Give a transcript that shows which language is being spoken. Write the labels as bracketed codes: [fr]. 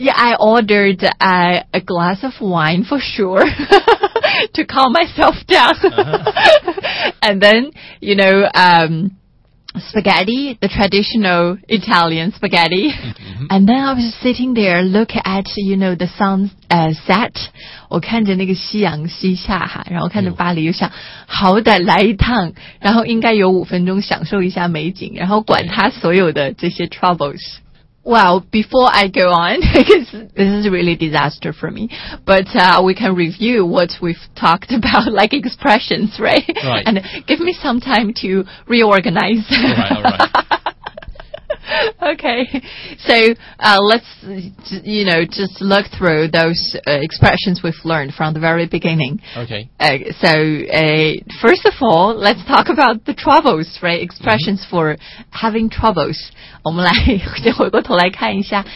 [en] Yeah, I ordered a glass of wine for sure. to calm myself down. And then, you know, spaghetti, the traditional Italian spaghetti. Mm-hmm. And then I was sitting there, look at, you know, the sunset. [zh] 我看着那个夕阳西下哈，然后看着巴黎又想，好歹来一趟，然后应该有五分钟享受一下美景，然后管他所有的这些 troubles。 [en] Well, before I go on, because this is really a disaster for me, but we can review what we've talked about, like expressions, right? Right. And give me some time to reorganize. All right, all right. Okay. So let's, you know, just look through those expressions we've learned from the very beginning. Okay. First of all, let's talk about the troubles, right? Expressions mm-hmm. for having troubles. [zh] 我们来就回过头来看一下